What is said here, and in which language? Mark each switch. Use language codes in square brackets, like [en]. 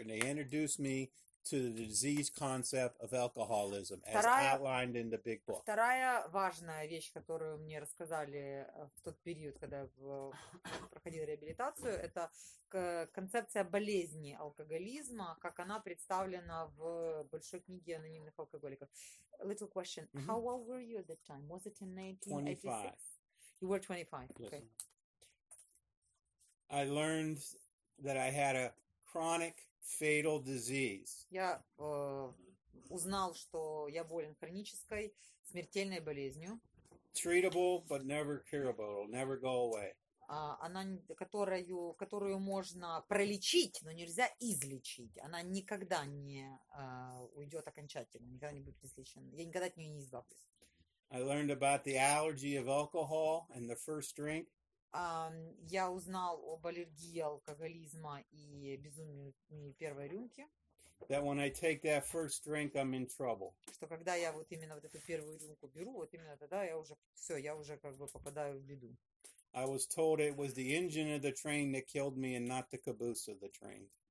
[en] And they introduced me to the disease concept of alcoholism as outlined in the big book. [ru] Вторая важная вещь, которую мне рассказали в тот период, когда проходил реабилитацию, это концепция болезни алкоголизма, как она представлена в большой книге анонимных алкоголиков. [en] Little question. Mm-hmm. How old were you at that time? Was it in 1986? 25. I learned that I had a chronic fatal disease. [ru] Я узнал, что я болен хронической смертельной болезнью. [en] Treatable, but never curable, never go away. [ru] Она, которую можно пролечить, но нельзя излечить. Она никогда не уйдет окончательно, никогда не будет излечена. Я никогда от нее не избавлюсь. [en] I learned about the allergy of alcohol and the first drink. [ru] Я узнал об аллергии, алкоголизма и безумии первой рюмки. [en] That when I take that first drink, I'm in trouble. [ru] Что когда я вот именно вот эту первую рюмку беру, вот именно тогда я уже все, я уже как бы попадаю в беду. [en] I was told it was the engine of the train that killed me and not the caboose of the train.